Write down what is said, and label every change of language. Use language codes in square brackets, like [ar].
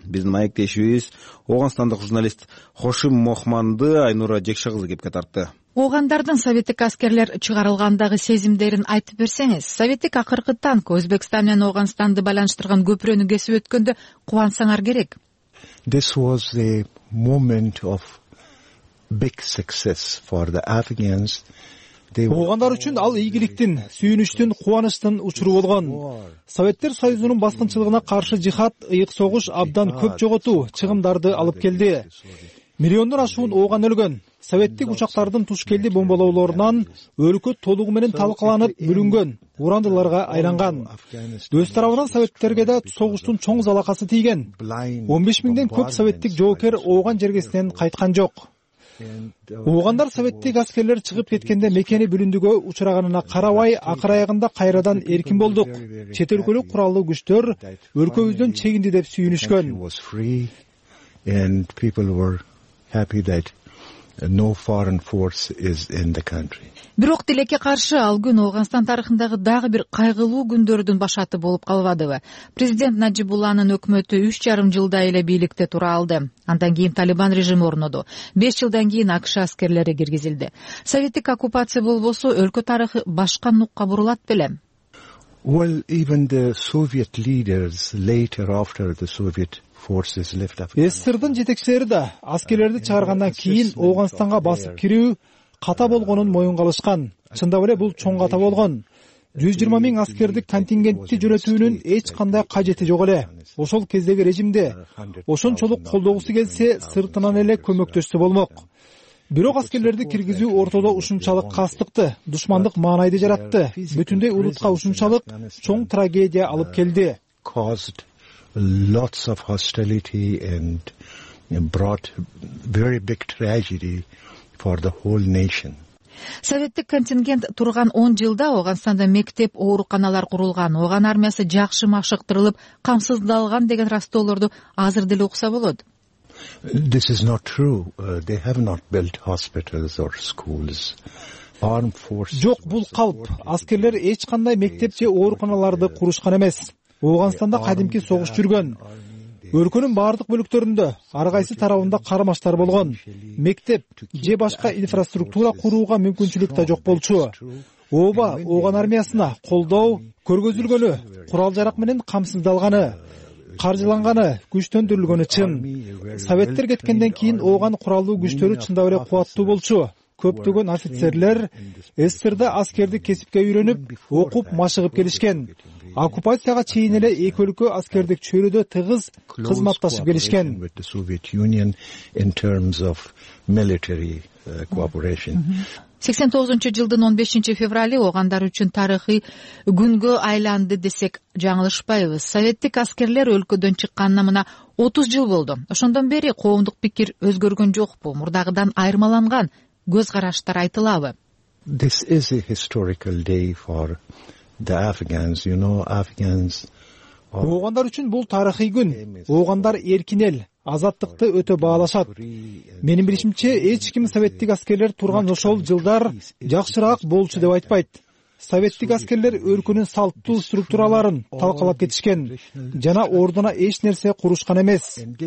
[ky] Биздин маектешибиз Оогонстандык журналист Хошим Мохманды Айнура Жекши кызы кепке тартты. Оогандардын советтик аскерлер чыгарылгандагы сезимдерин айтып берсеңиз, советтик акыркы танк Өзбекстан менен Ооганстанды байланыштырган көпүрөнү кесип өткөндө кубансаңар керек. [en] This was the moment of big success for the Afghans. [ky] Оогандар үчүн ал ийгиликтин, сүйүнүчтүн, кубанычтын учуру болгон. Советтер Союзунун баскынчылыгына каршы жихат, ыйык согуш абдан көп жоготуу, чыгымдарды алып келди. Миллиондон ашуун ооган өлгөн. Советтик учактардын туш келди бомбалоолорунан өлкө толугу менен талкаланып, бүлүнгөн, урандыларга айланган. Өз тарабынан советтерге да согуштун чоң залакасы тийген. 15 000 көп советтик жоокер ооган жергесинен кайткан жок. Оогандар советтик аскерлер чыгып кеткенде мекени бүлүндүгө учураганына карабай, акыр аягында кайрадан эркин болдук. Чет өлкөлүк куралдуу күчтөр өлкөбүздөн чегинди деп сүйүнүшкөн. [en] No foreign force is in the country. [ky] Бирок тилекке каршы ал күн Ооганстан тарыхындагы дагы бир кайгылуу күндөрдүн башаты болуп калбадыбы? Президент Наджибулланын өкмөтү 3.5 жылда эле бийликте тура алды. Андан кийин Талибан режими орноду. 5 жылдан кийин АКШ аскерлери киргизилди. Советтик оккупация болбосо өлкө тарыхы башка нукка бурулат беле? [en] Well, even the Soviet leaders later after the Soviet [ky] СССРдин жетекчилери да аскерлерди чыгаргандан кийин Ооганстанга басып кирүү ката болгонун моюнга алышкан. Чындап эле бул чоң ката болгон. 120 000 аскердик контингентти жөнөтүүнүн эч кандай кажети жок эле. Ошол кездеги режимде ошончолук колдогусу келсе, сыртынан эле көмөктөшсө болмок. Бирок аскерлерди киргизүү ортодо ушунчалык кастыкты, душмандык маанайды жаратты. Бүтүндөй улутка ушунчалык чоң трагедия алып келди. [en] Lots of hostility and brought very big tragedy for the whole nation. [ky] Советтик контингент турган 10 жылда Ооганстанда мектеп, ооруканалар курулган, ооган армиясы жакшы машыктырылып, камсыздалган деген ырасторлорду азыр деле укса болот. [en] This is not true. They have not built hospitals or schools. Armed forces. [ky] Жок, бул калп. Аскерлер эч кандай мектеп же ооруканаларды курушкан эмес. Ооганстанда кадимки согуш жүргөн. Өлкөнүн бардык бөлүктөрүндө, ар кайсы тарабында кармаштар болгон. Мектеп же башка инфраструктура курууга мүмкүнчүлүк да жок болчу. Ооба ооган армиясына колдоо көргөзүлгөнү, курал жарак менен камсыздалганы, каржыланганы, күчтөндүрүлгөнү чын. Советтер кеткенден кийин ооган куралдуу күчтөрү чындап эле кубаттуу болчу. Көптөгөн офицерлер СССРда аскердик кесипке үйрөнүп, окуп, машыгып келишкен. Оккупацияга чейин эле эки өлкө аскердик чөйрөдө тыгыз кызматташып келишкен. [en] Soviet Union in terms of military cooperation. [ky] 89 жылдын 15 феврали оогандар үчүн тарыхый күнгө айланды десек жаңылышпайбыз. Советтик аскерлер өлкөдөн чыкканына мына 30 жыл болду. Ошондон бери коомдук пикир өзгөргөн жокпу? Мурдагыдан айырмаланган көз караштар айтылабы? [en] This is a historical day for the Afghans. You know, Afghans. [ky] Оогандар үчүн бул тарыхый күн. Оогандар эркин эл, азаттыкты өтө баалашат. Менин билишимче эч ким советтик аскерлер турган ошол жылдар жакшыраак болчу деп айтпайт. Советтик аскерлер өлкөнүн салттуу структураларын талкалап кетишкен жана ордуна эч нерсе курушкан эмес.